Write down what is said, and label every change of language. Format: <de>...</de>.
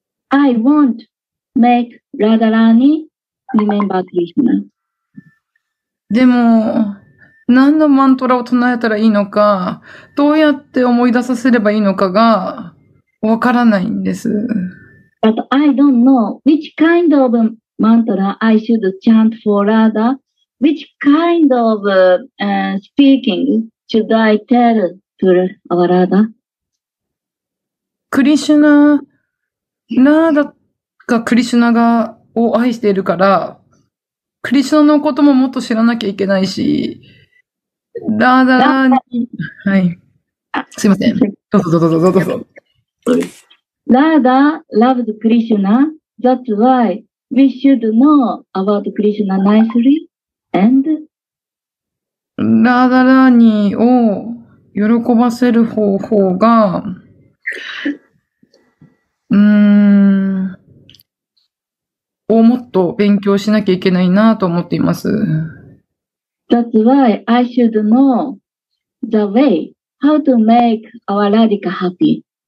<en>I won't make Radharani remember Krishna.</en> <ja>でも、何のマントラを唱えたらいいのか、どうやって思い出させればいいのかが、わからないんです。</ja> <en>But I don't know which kind of mantra I should chant for Radha, which kind of speaking should I tell to Radha?</en> <ja>クリシュナ、ラーダがクリシュナが、を愛しているから、クリシュナのことももっと知らなきゃいけないし、ラーダに、はい。すいません。どうぞどうぞどうぞどうぞ。</ja> <en>ラーダ loves クリシュナ。 That's why we should know about クリシュナ nicely and</en> <ja>ラーダラーニを喜ばせる方法が、をもっと勉強しなきゃいけないなと思っています。</ja> <en>That's why I should know the way how to make our Radhika happy.</en>